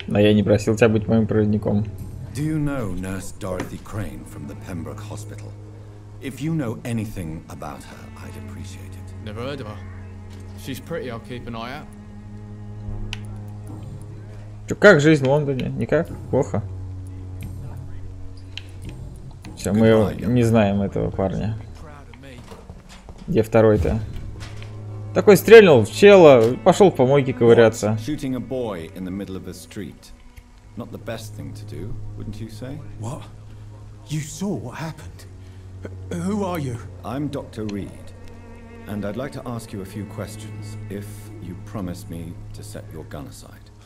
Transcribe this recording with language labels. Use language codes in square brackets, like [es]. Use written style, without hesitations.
[ru] Но я не просил тебя быть моим проводником. [en] Do you know nurse Dorothy Crane from the Pembroke Hospital? If you know anything about her, I'd appreciate it. Never heard of her. She's pretty, I'll keep an eye out. [ru] Чё, как жизнь в Лондоне? Никак? Плохо? Всё, мы не знаем этого парня. Где второй-то? Такой стрельнул в чела, пошел в помойке ковыряться. [en] Shooting a boy in the middle of the street. Not the best thing to do, wouldn't you say? What? You saw what happened. Who are you? I'm Dr. Reed. And I'd like to ask you a few questions, if you promise me to set your gun aside.